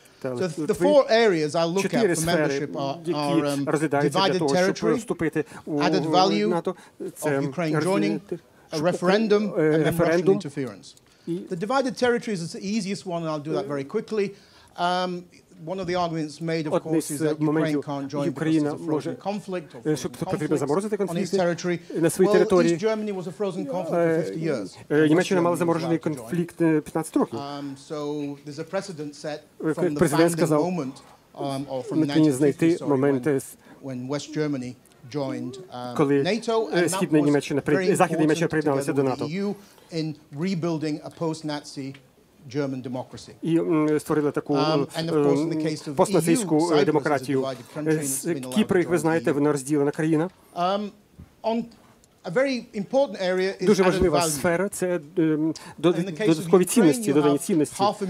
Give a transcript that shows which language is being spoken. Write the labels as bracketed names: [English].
[English] So the four areas I look at for membership are divided territory, added value of Ukraine joining, a referendum, and then Russian interference. The divided territories is the easiest one, and I'll do that very quickly. One of the arguments made, of course, is that Ukraine can't join because it's a frozen conflict or frozen conflict on its territory. Well, East Germany was a frozen conflict for 50 years. [Ukrainian] Німеччина мала заморожений конфлікт 15 років. [English] So there's a precedent set from the founding moment, or from 1950, when West Germany joined NATO, and that was very important together with the EU in rebuilding a post-Nazi German democracy. And of course, in the case of the EU, Cyprus is a divided country, and it's been a lot of joining. On [Ukrainian] Дуже важлива сфера – це додаткові цінності, додані цінності.